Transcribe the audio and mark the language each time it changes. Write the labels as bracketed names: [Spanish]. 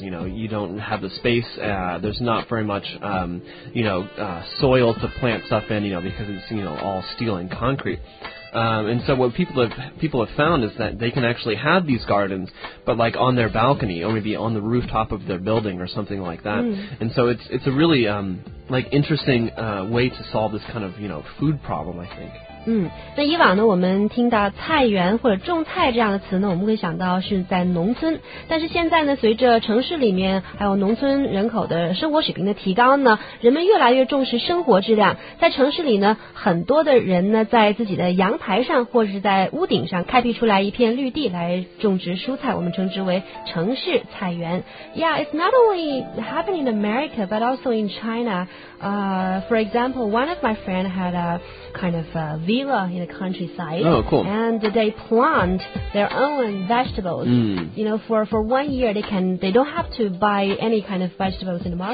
[English] You know, you don't have the space. There's not very much, you know, soil to plant stuff in, you know, because it's, you know, all steel and concrete. And so what people have found is that they can actually have these gardens, but like on their balcony or maybe on the rooftop of their building or something like that. And so it's a really like interesting way to solve this kind of, you know, food problem, I think. [Chinese] 那以往呢，我们听到菜园或者种菜这样的词呢，我们会想到是在农村。但是现在呢，随着城市里面还有农村人口的生活水平的提高呢，人们越来越重视生活质量。在城市里呢，很多的人呢，在自己的阳台上或者是在屋顶上开辟出来一片绿地来种植蔬菜，我们称之为城市菜园。 [English] Yeah, it's not only happening in America, but also in China. For example, one of my friends had a kind of a villa in the countryside. Oh, cool. And they plant their own vegetables. You know, for 1 year, they don't have to buy any kind of vegetables in the market.